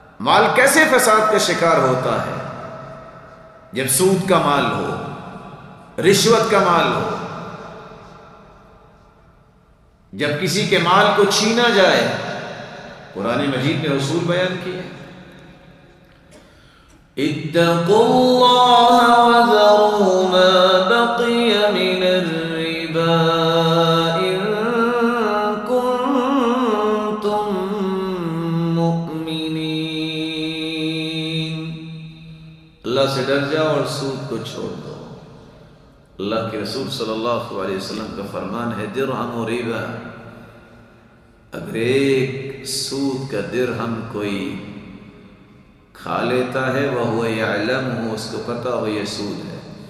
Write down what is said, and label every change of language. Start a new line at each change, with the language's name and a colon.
Urdu: مال کیسے فساد کا شکار ہوتا ہے؟ جب سود کا مال ہو, رشوت کا مال ہو, جب کسی کے مال کو چھینا جائے. قرآن مجید نے اصول بیان کیے
Arabic: اتقوا الله وذروا ما بقي من الربا إن كنتم مؤمنين.
Urdu: اللہ سے ڈر جاؤ اور سود کو چھوڑ دو. اللہ کے رسول صلی اللہ علیہ وسلم کا فرمان ہے درہم و ربا. اگر ایک سود کا درہم کوئی کھا لیتا ہے
Arabic: وَهُوَ يَعْلَمُهُ
Urdu: اس کو پتا ہو یہ سود ہے.